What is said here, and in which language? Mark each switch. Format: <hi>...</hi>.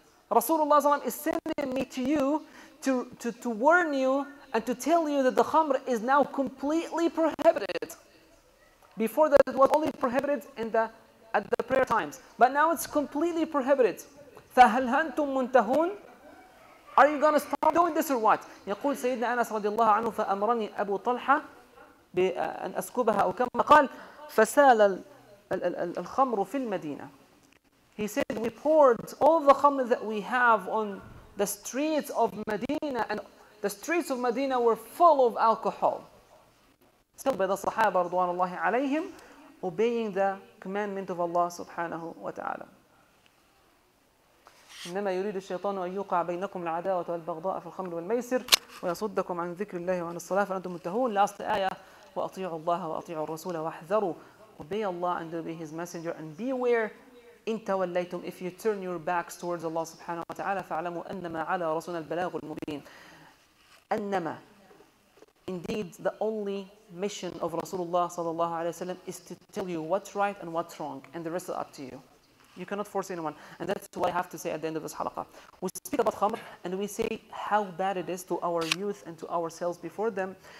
<en>Rasulullah sallallahu alayhi wa sallam is sending me to you to warn you and to tell you that the khamr is now completely prohibited. Before that, it was only prohibited at the prayer times. But now it's completely prohibited.</en> <ar>فَهَلْ هَنْتُمْ مُنْتَهُونَ.</ar> <en>Are you going to stop doing this or what?</en> <ar>يقول سيدنا أنس رضي الله عنه فأمرني أبو طلحة بأن أسكبها أو كما قال فسال الخمر في المدينة.</ar> <en>He said, we poured all the khamr that we have on the streets of Medina, and the streets of Medina were full of alcohol. So by the Sahaba</en> <ar>رضوان الله عليهم,</ar> <en>obeying the commandment of Allah subhanahu wa ta'ala.</en> <ar>إنما يريد الشيطان أن يوقع بينكم العداوة والبغضاء في الخمر والميسر ويصدكم عن ذكر الله وعن الصلاة فأنتم منتهون. Last آية وأطيعوا الله وأطيعوا الرسول واحذروا.</ar> <en>Obey Allah and obey His Messenger and beware</en> <ar>إن توليتم.</ar> <en>If you turn your backs towards Allah</en> <ar>سبحانه وتعالى فاعلموا أنما على رسولنا البلاغ المبين. أنما.</ar> <en>Indeed, the only mission of Rasulullah صلى الله عليه وسلم is to tell you what's right and what's wrong, and the rest is up to you. You cannot force anyone. And that's what I have to say at the end of this halaqah. We speak about khamr and we say how bad it is to our youth and to ourselves before them.</en>